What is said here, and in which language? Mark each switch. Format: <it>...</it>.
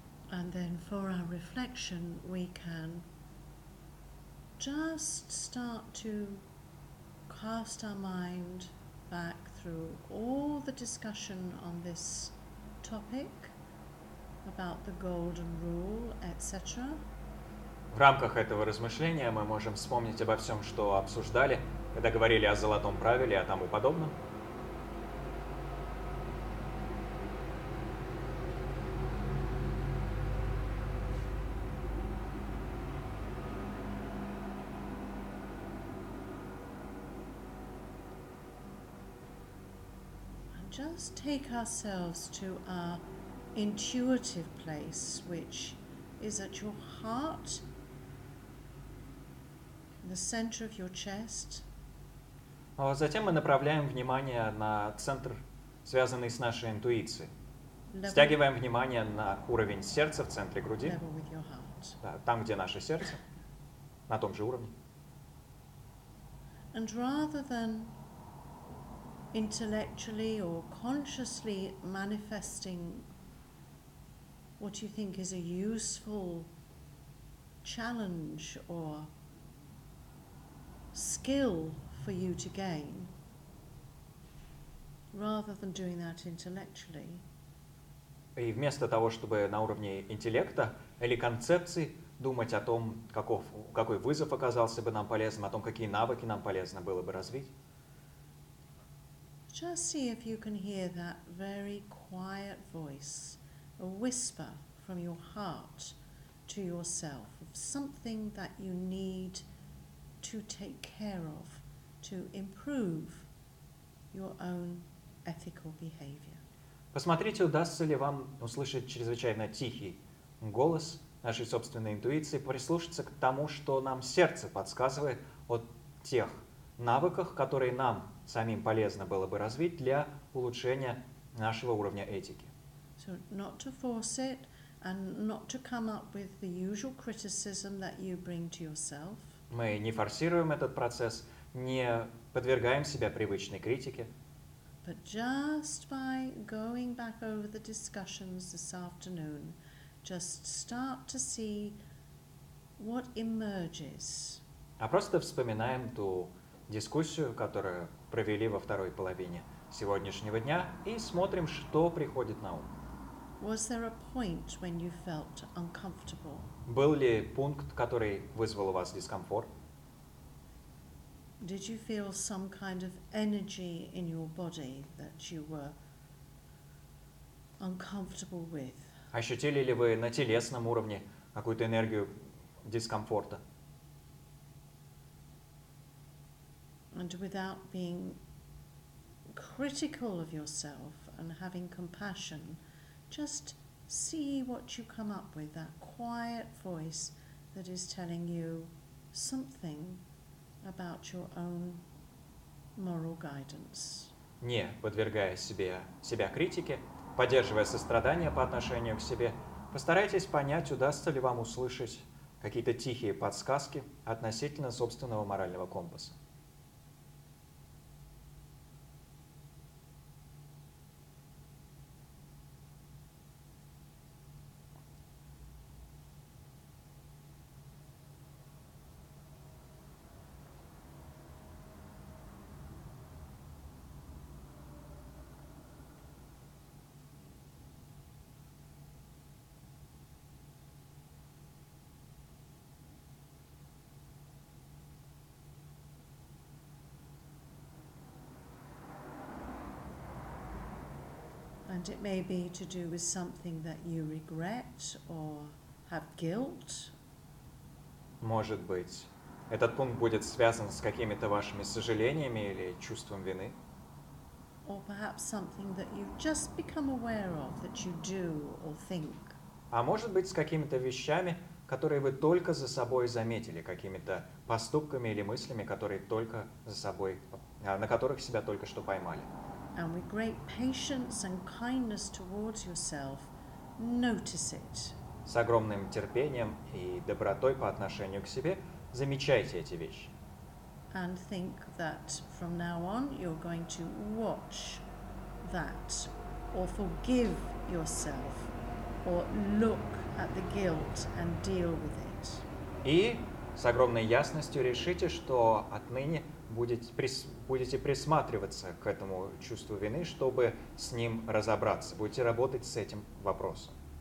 <en>And then for our reflection, we can just start to cast our mind back through all the discussion on this topic about the golden rule, etc.</en> <ru>В рамках этого размышления мы можем вспомнить обо всем, что обсуждали, когда говорили о золотом правиле, о тому подобном.</ru> <en>Just take ourselves to our intuitive place, which is at your heart, the center of your chest.</en> <ru>А затем мы направляем внимание на центр, связанный с нашей интуицией. Стягиваем внимание на уровень сердца в центре груди.</ru> <en>Level with your heart.</en> <ru>Да, там, где наше сердце, на том же уровне.</ru> <en>And rather than intellectually or consciously manifesting what you think is a useful challenge or skill for you to gain, rather than doing that intellectually.</en> <ru>И вместо того, чтобы на уровне интеллекта или концепции думать о том, какой вызов оказался бы нам полезным, о том, какие навыки нам полезно было бы развить.</ru> <en>Just see if you can hear that very quiet voice, a whisper from your heart to yourself, of something that you need to take care of, to improve your own ethical behavior.</en> <ru>Посмотрите, удастся ли вам услышать чрезвычайно тихий голос нашей собственной интуиции, прислушаться к тому, что нам сердце подсказывает о тех навыках, которые нам самим полезно было бы развить для улучшения нашего уровня этики.</ru> <en>So not to force it and not to come up with the usual criticism that you bring to yourself.</en> <ru>Мы не форсируем этот процесс, не подвергаем себя привычной критике.</ru> <en>But just by going back over the discussions this afternoon, just start to see what emerges.</en> <ru>А просто вспоминаем ту дискуссию, которую провели во второй половине сегодняшнего дня, и смотрим, что приходит на ум.</ru> <en>Was there a point when you felt uncomfortable?</en> <ru>Был ли пункт, который вызвал у вас дискомфорт?</ru> <en>Did you feel some kind of energy in your body that you were uncomfortable with?</en> <ru>Ощутили ли вы на телесном уровне какую-то энергию дискомфорта?</ru> <en>And without being critical of yourself and having compassion, just see what you come up with, that quiet voice that is telling you something about your own moral guidance.</en> <ru>Не подвергая себя критике, поддерживая сострадание по отношению к себе, постарайтесь понять, удастся ли вам услышать какие-то тихие подсказки относительно собственного морального компаса.</ru> <en>And it may be to do with something that you regret or have guilt.</en> <ru>Может быть, этот пункт будет связан с какими-то вашими сожалениями или чувством вины.</ru> <en>Or perhaps something that you've just become aware of that you do or think.</en> <ru>А может быть, с какими-то вещами, которые вы только за собой заметили, какими-то поступками или мыслями, которые только за собой, на которых себя только что поймали.</ru> <en>And with great patience and kindness towards yourself, notice it.</en> <ru>С огромным терпением и добротой по отношению к себе замечайте эти вещи.</ru> <en>And think that from now on you're going to watch that, or forgive yourself, or look at the guilt and deal with it.</en> <ru>И с огромной ясностью решите, что отныне будете присматриваться к этому чувству вины, чтобы с ним разобраться. Будете работать с этим вопросом.</ru>